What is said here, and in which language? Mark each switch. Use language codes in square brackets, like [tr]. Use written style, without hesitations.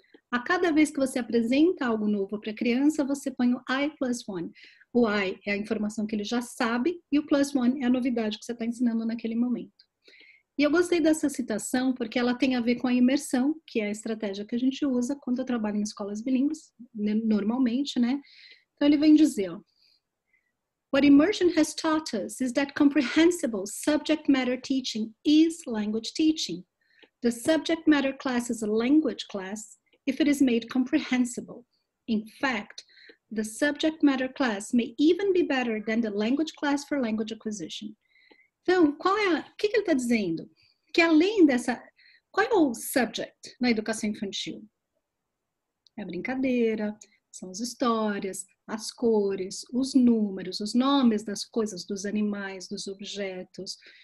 [pt] A cada vez que você apresenta algo novo para a criança, você põe o I plus one. O I é a informação que ele já sabe e o plus one é a novidade que você está ensinando naquele momento. E eu gostei dessa citação porque ela tem a ver com a imersão, que é a estratégia que a gente usa quando eu trabalho em escolas bilíngues, normalmente, né? [en] Então ele vem dizer, ó, what immersion has taught us is that comprehensible subject matter teaching is language teaching. The subject matter class is a language class if it is made comprehensible. In fact, the subject matter class may even be better than the language class for language acquisition. [pt] Então, o que ele está dizendo? Que além dessa, qual é o subject na educação infantil? É a brincadeira, são as histórias, as cores, os números, os nomes das coisas, dos animais, dos objetos.